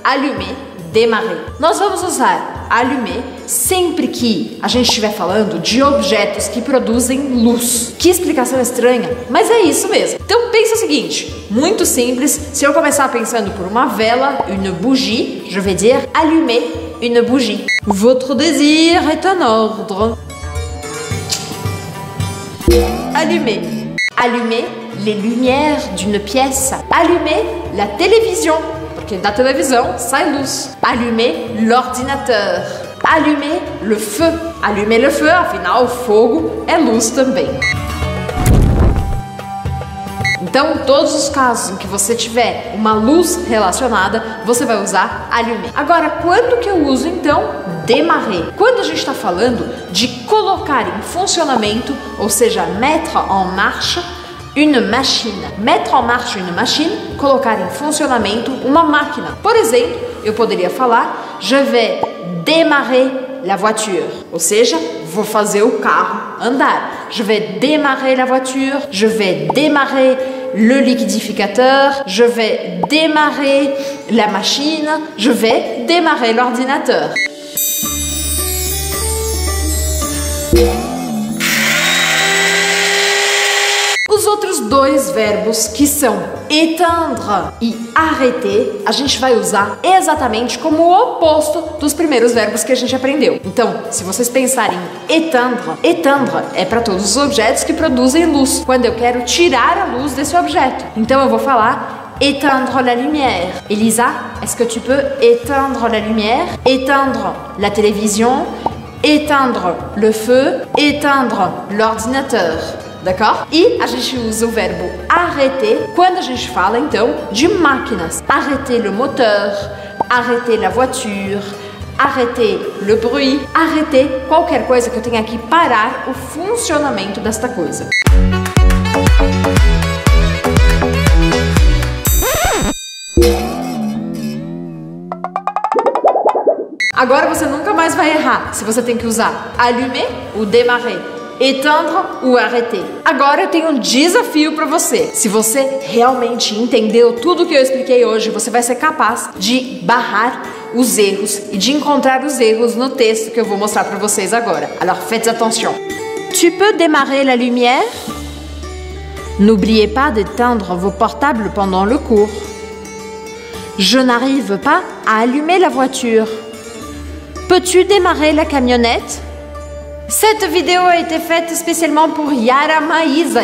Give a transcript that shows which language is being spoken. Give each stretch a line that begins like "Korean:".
Portuguese: Allumer, démarrer. Nós vamos usar allumer sempre que a gente estiver falando de objetos que produzem luz. Que explicação estranha, mas é isso mesmo. Então pensa o seguinte, muito simples, se eu começar pensando por uma vela, une bougie, je vais dire allumer une bougie.
French: Votre désir est un ordre. Allumer. Allumer les lumières d'une pièce. Allumer la télévision.
Portuguese: Porque da televisão sai luz.
French: Allumer l'ordinateur. Allumer le feu. Allumer le feu,
Portuguese: afinal, fogo é luz também. Então, todos os casos em que você tiver uma luz relacionada, você vai usar allumer. Agora, quando que eu uso, então, démarrer? Quando a gente está falando de colocar em funcionamento, ou seja,
French: mettre en marche, une machine. Mettre en marche une machine,
Portuguese: colocar em funcionamento uma máquina. Por exemplo, eu poderia falar,
French: je vais démarrer la voiture.
Portuguese: Ou seja, vou fazer o carro andar.
French: Je vais démarrer la voiture, je vais démarrer le liquidificateur, je vais démarrer la machine, je vais démarrer l'ordinateur.
Portuguese: Outros dois verbos que são éteindre e arrêter, a gente vai usar exatamente como o oposto dos primeiros verbos que a gente aprendeu. Então, se vocês pensarem éteindre, éteindre é para todos os objetos que produzem luz, quando eu quero tirar a luz desse objeto. Então eu vou falar
French: éteindre la lumière. Elisa, est-ce que tu peux éteindre la lumière? Éteindre la télévision, éteindre le feu, éteindre l'ordinateur. D'accord?
Portuguese: E a gente usa o verbo arrêter quando a gente fala, então, de máquinas.
French: Arrêter le moteur, arrêter la voiture, arrêter le bruit,
Portuguese: arrêter qualquer coisa que eu tenha que parar o funcionamento desta coisa. Agora você nunca mais vai errar se você tem que usar allumer ou démarrer. Éteindre ou arrêter. Agora eu tenho um desafio para você. Se você realmente entendeu tudo que eu expliquei hoje, você vai ser capaz de barrar os erros e de encontrar os erros no texto que eu vou mostrar para vocês agora.
French: Alors faites attention. Tu peux démarrer la lumière? N'oubliez pas d'éteindre vos portables pendant le cours. Je n'arrive pas à allumer la voiture. Peux-tu démarrer la camionnette? Cette vidéo a été faite spécialement pour Yara Maïsa.